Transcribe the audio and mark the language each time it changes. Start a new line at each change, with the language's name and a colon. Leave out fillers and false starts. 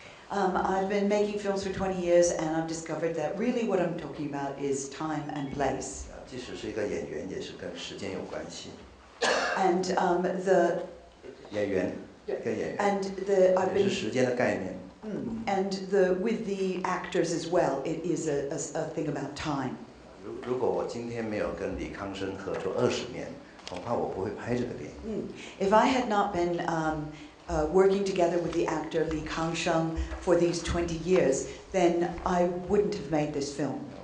English: I've been making films for 20 years, and I've discovered that really what I'm talking about is time and place.
Chinese: 即使是一个演员，也是跟时间有关系。
English: And the
Chinese: 演员。跟演员，也是时间的概念。
English: And the with the actors as well, it is a thing about time.
Chinese: 如果我今天没有跟李康生合作20年，恐怕我不会拍这个电影。
English: If I had not been working together with the actor Li Kangsheng for these 20 years, then I wouldn't have made this film.